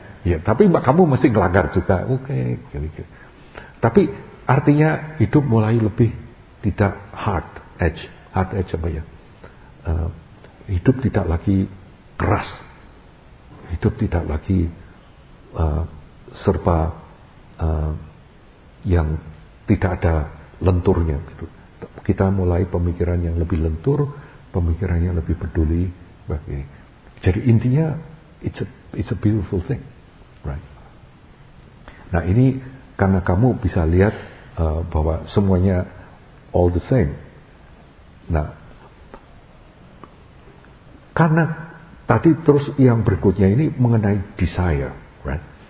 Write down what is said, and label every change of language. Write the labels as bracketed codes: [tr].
[id] Ya, tapi kamu masih ngelanggar juga, oke. Tapi artinya hidup mulai lebih tidak [en] hard edge [id] apa ya, hidup tidak lagi keras, hidup tidak lagi serba yang tidak ada lenturnya gitu. Kita mulai pemikiran yang lebih lentur, pemikiran yang lebih peduli bagi. Jadi intinya [en] it's a beautiful thing, right? [id] Nah, ini karena kamu bisa lihat bahwa semuanya [en] all the same. [id] Nah, karena tadi terus yang berikutnya ini mengenai desire, right?